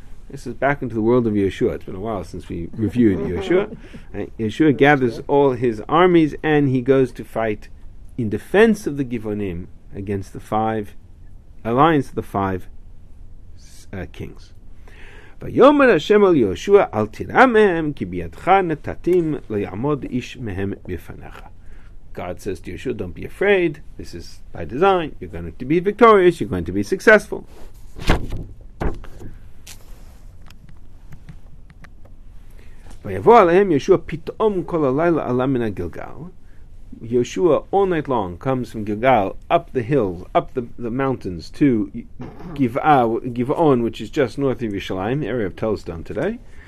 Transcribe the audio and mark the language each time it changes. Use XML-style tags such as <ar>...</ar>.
<en>This is back into the world of Yeshua. It's been a while since we reviewed Yeshua. Yeshua gathers all his armies and he goes to fight in defense of the Givonim against the five alliance of the five kings.</en> <he>ויאמר השם אל יהושע אל תירא מהם כי בידך נתתים ליעמוד איש מהם בפניך.</he> <en>God says to Yeshua, don't be afraid, this is by design, you're going to be victorious, you're going to be successful.</en> <he>ויבוא עליהם יהושע פתאום כל הלילה עלה מן הגלגל.</he> <en>Yeshua all night long comes from Gilgal up the hills, up the mountains to Giv'on, which is just north of Yerushalayim, area of Telstone today.</en>